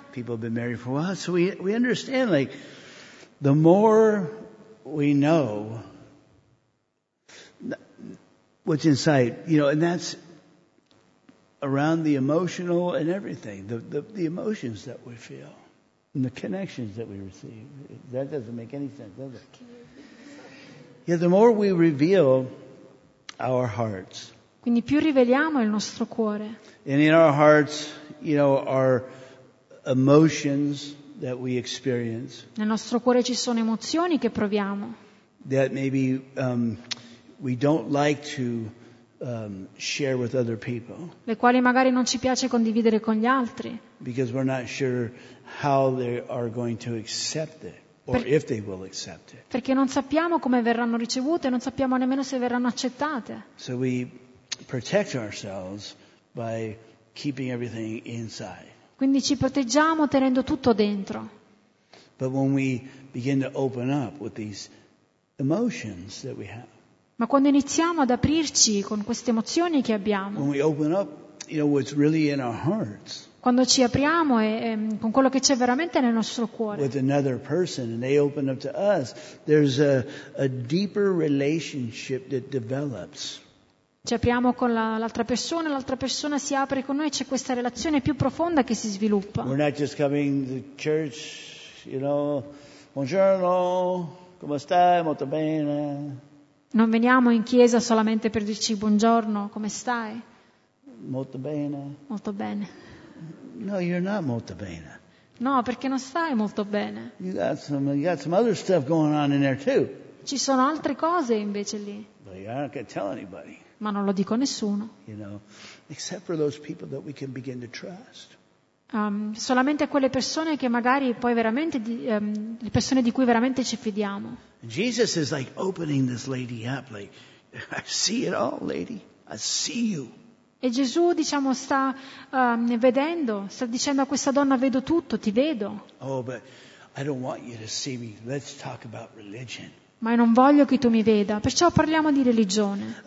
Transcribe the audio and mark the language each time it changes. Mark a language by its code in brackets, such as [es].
[en] People have been married for a while, so we understand, like, the more we know what's inside, you know, and that's around the emotional and everything, the emotions that we feel and the connections that we receive. That doesn't make any sense, does it? Yeah, the more we reveal our hearts. [it] Quindi più riveliamo il nostro cuore. [en] And in our hearts, you know, our emotions that we experience. [it] Nel nostro cuore ci sono emozioni che proviamo. [en] That maybe we don't like to share with other people. [it] Le quali magari non ci piace condividere con gli altri. [en] Because we're not sure how they are going to accept it. Or if they will accept it. [it] Perché non sappiamo come verranno ricevute, non sappiamo nemmeno se verranno accettate. [en] So we protect ourselves by keeping everything inside. [it] Quindi ci proteggiamo tenendo tutto dentro. [en] But when we begin to open up with these emotions that we have. [it] Ma quando iniziamo ad aprirci con queste emozioni che abbiamo. [en] When we open up, you know, what's really in our hearts. [it] Quando ci apriamo e con quello che c'è veramente nel nostro cuore. [en] With another person and they open up to us, there's a deeper relationship that develops. [it] Ci apriamo con l'altra persona, l'altra persona si apre con noi, c'è questa relazione più profonda che si sviluppa. [en] We're not just coming to church, you know, [it] buongiorno, come stai, molto bene. Non veniamo in chiesa solamente per dirci buongiorno, come stai. Molto bene. Molto bene. [en] No, you're not [it] molto bene. No, perché non stai molto bene. [en] You got some other stuff going on in there too. [it] Ci sono altre cose invece lì. [en] But you don't get to tell anybody. [it] Ma non lo dico a nessuno. [en] You know, except for those people that we can begin to trust. [it] Solamente quelle persone che magari poi veramente le persone di cui veramente ci fidiamo. [en] Jesus is like opening this lady up, like, I see it all, lady. I see you. [it] E Gesù, diciamo, sta vedendo, sta dicendo a questa donna, vedo tutto, ti vedo. [en] Oh, but I don't want you to see me. Let's talk about religion. [it] Ma io non voglio che tu mi veda, perciò parliamo di religione.